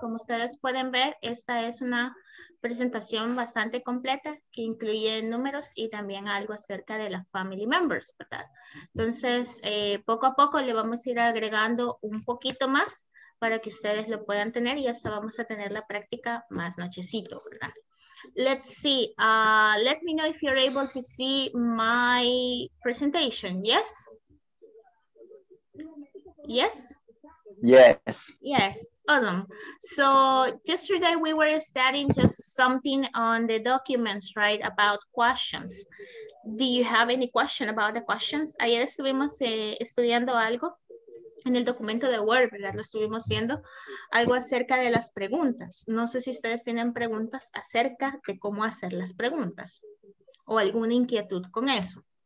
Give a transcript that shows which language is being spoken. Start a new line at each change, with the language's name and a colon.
Spanish: Como ustedes pueden ver, esta es una presentación bastante completa que incluye números y también algo acerca de las
English: family members,
Spanish: ¿verdad? Entonces, poco a poco le vamos a ir agregando un poquito más para que ustedes lo puedan tener y hasta vamos a tener la práctica más nochecito, ¿verdad?
English: Let's see. Let me know if you're able to see my presentation. Yes? Yes? Yes. Yes. Awesome. So yesterday we were studying just something on the documents, right, about questions. Do you have any question about the questions?
Spanish: Ayer estuvimos estudiando algo en el documento de Word, ¿verdad? Lo estuvimos viendo, algo acerca de las preguntas. No sé si ustedes tienen preguntas acerca de cómo hacer las preguntas o alguna inquietud con eso.